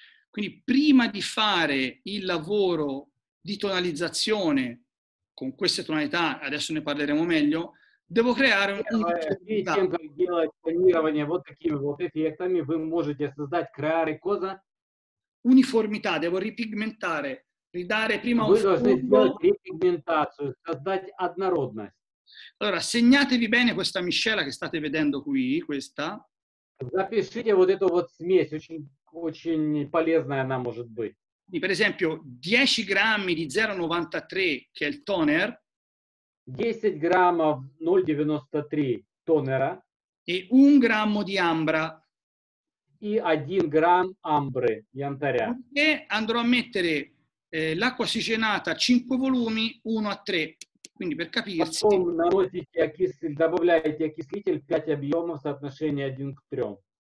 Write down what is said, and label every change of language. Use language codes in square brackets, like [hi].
[it] Quindi prima di fare il lavoro di tonalizzazione con queste tonalità, adesso ne parleremo meglio, devo creare uniformità, devo ripigmentare, ridare prima uniformità. Allora, segnatevi bene questa miscela che state vedendo qui, questa. [ru] Запишите вот эту вот смесь, очень полезная она может быть. [it] Per esempio, 10 grammi di 0,93, che è il toner. [ru] 10 граммов 0,93 тонера. [it] E 1 grammo di ambra. [ru] И 1 грамм амбры, янтаря. [it] E andrò a mettere l'acqua ossigenata 5 volumi, 1 a 3. Quindi per capirsi... [ru] Потом наносите окисли... добавляете окислитель 5 объемов в соотношении 1 к 3.